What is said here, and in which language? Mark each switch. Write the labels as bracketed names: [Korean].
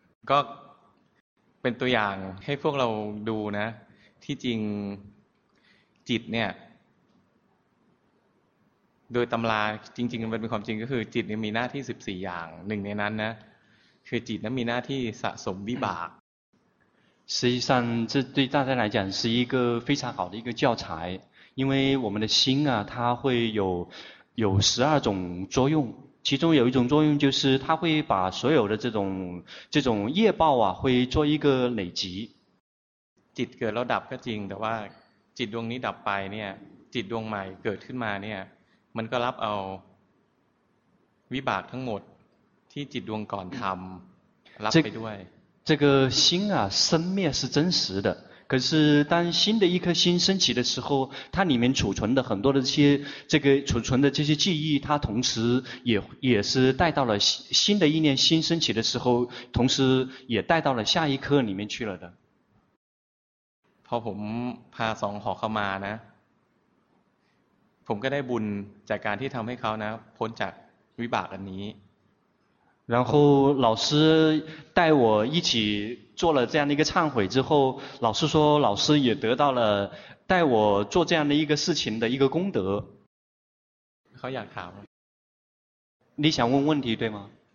[Thai] ก็เป็นตัวอย่างให้พวกเราดูนะที่จริงจิตเนี่ยโดยตำราจริงๆมันเป็นความจริงก็คือจิตมีหน้าที่14อย่างหนึ่งในนั้นนะคือจิตนั้นมีหน้าที่สะสมวิบาก [Chinese] 实际上这对大家来讲是一个非常好的一个教材因为我们的心啊它会有12种作用其中有一种作用就是它会把所有的这种业报啊会做一个累积 [Thai] จิตเกิดแล้วดับก็จริงแต่ว่าจิตดวงนี้ดับไปเนี่ยจิตดวงใหม่เกิดขึ้นมาเนี่ยมันก็รับเอาวิบากทั้งหมดที่จิตดวงก่อนทำรับไปด้วย [Chinese] 这个心啊生灭是真实的可是当新的一颗心升起的时候它里面储存的很多的这些记忆它同时也是带到了新的一念心升起的时候同时也带到了下一颗里面去了的 [Thai] พอผมพาสองหอเข้ามานะผมก็ได้บุญจากการที่ทำให้เขานะพ้นจากวิบากอันนี้ [Chinese] 然后老师带我一起做了这样的一个忏悔之后老师说老师也得到了带我做这样的一个事情的一个功德好想谈你想问问题对吗